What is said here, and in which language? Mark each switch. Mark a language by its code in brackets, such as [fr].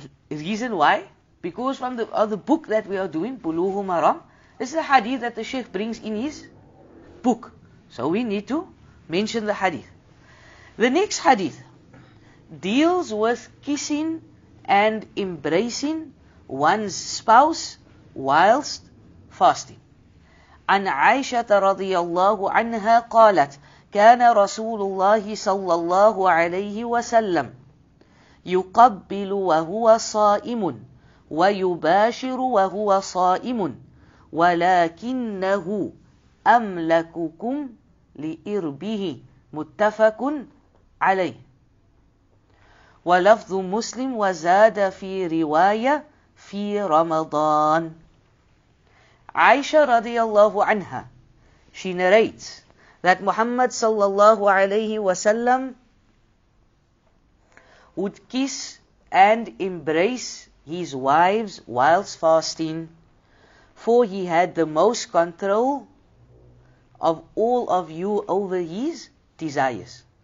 [en] Reason why? Because from the book that we are doing, Bulughul Maram, this is a hadith that the Sheikh brings in his book. So we need to mention the hadith. The next hadith deals with kissing and embracing one's spouse whilst fasting. [ar] عن عائشة رضي الله عنها قالت كان رسول الله صلى الله عليه وسلم يقبل وهو صائم ويباشر وهو صائم ولكنه أملككم لإربه متفق عليه ولفظ مسلم وزاد في رواية في رمضان. [en] Aisha [ar] radiallahu anha, [en] she narrates that Muhammad [ar] sallallahu alayhi wasallam [en] would kiss and embrace his wives whilst fasting, for he had the most control of all of you over his desires.